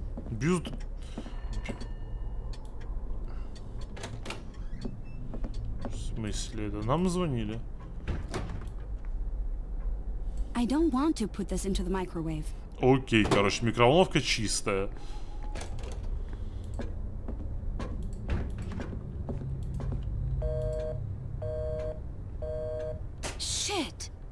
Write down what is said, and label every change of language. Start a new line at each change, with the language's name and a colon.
Russian: без... В смысле, это нам звонили?
English: I don't want to put this into the microwave.
Russian: Окей, короче, микроволновка чистая.
English: Shit.